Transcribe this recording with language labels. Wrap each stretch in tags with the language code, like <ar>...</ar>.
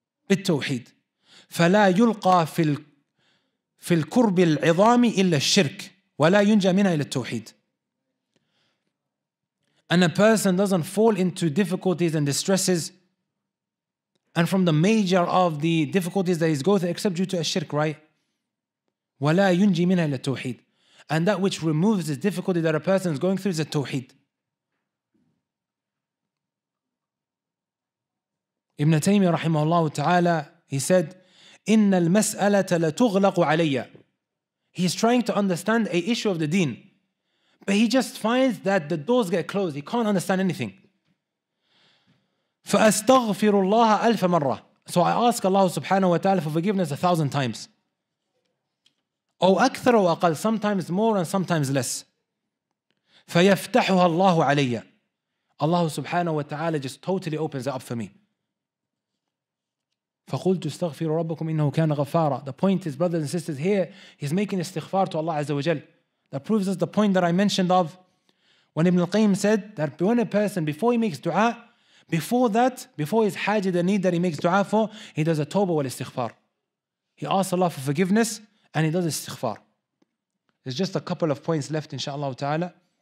<ar>بالتوحيد. فلا يلقى في الكرب العظام إلا الشرك ولا ينجى منها إلا التوحيد.</ar> <en>And a person doesn't fall into difficulties and distresses and from the major of the difficulties that he's going through except due to a shirk, right?</en> <ar>ولا ينجي منها إلا التوحيد.</ar> <en>And that which removes the difficulty that a person is going through is a tawheed. Ibn Taymiyyah rahimahullah ta'ala, he said,</en> <ar>إِنَّ الْمَسْأَلَةَ لَتُغْلَقُ عَلَيَّ.</ar> <en>He is trying to understand a issue of the deen, but he just finds that the doors get closed. He can't understand anything.</en> <ar>فَأَسْتَغْفِرُ اللَّهَ أَلْفَ مَرَّةٍ.</ar> <en>So I ask Allah subhanahu wa ta'ala for forgiveness 1,000 times.</en> <ar>أو أكثر أو أقل,</ar> <en>sometimes more and sometimes less.</en> <ar>فيفتحها الله علي.</ar> <en>Allah سبحانه وتعالى just totally opens it up for me.</en> <ar>فقلت استغفروا ربكم إنه كان غفارا.</ar> <en>The point is, brothers and sisters, here he's making استغفار to Allah عز وجل. That proves us the point that I mentioned of when Ibn al-Qayyim said that when a person, before he makes dua, before that, before his hajid and need that he makes dua for, he does a tawbah والاستغفار. He asks Allah for forgiveness and he does istighfar. There's just a couple of points left, inshallah ta'ala.</en>